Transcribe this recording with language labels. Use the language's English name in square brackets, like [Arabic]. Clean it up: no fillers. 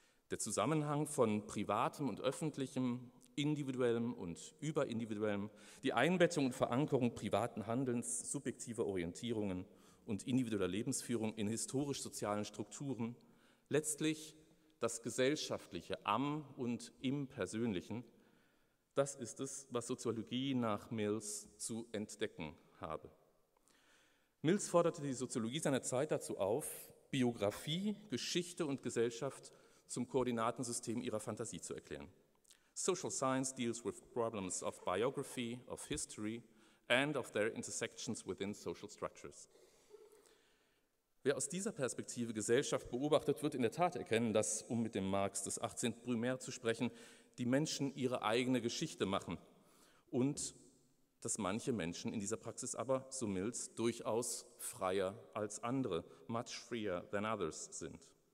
[German] Der Zusammenhang von privatem und öffentlichem, individuellem und überindividuellem, die Einbettung und Verankerung privaten Handelns, subjektiver Orientierungen und individueller Lebensführung in historisch-sozialen Strukturen, letztlich das Gesellschaftliche am und im Persönlichen, das ist es, was Soziologie nach Mills zu entdecken habe. Mills forderte die Soziologie seiner Zeit dazu auf, Biografie, Geschichte und Gesellschaft zum Koordinatensystem ihrer Fantasie zu erklären. [English] Social science deals with problems of biography, of history and of their intersections within social structures. [German] Wer aus dieser Perspektive Gesellschaft beobachtet, wird in der Tat erkennen, dass, um mit dem Marx des 18. Primär zu sprechen, die Menschen ihre eigene Geschichte machen und dass manche Menschen in dieser Praxis aber, so Mills, durchaus freier als andere, [English] much freer than others [German] sind.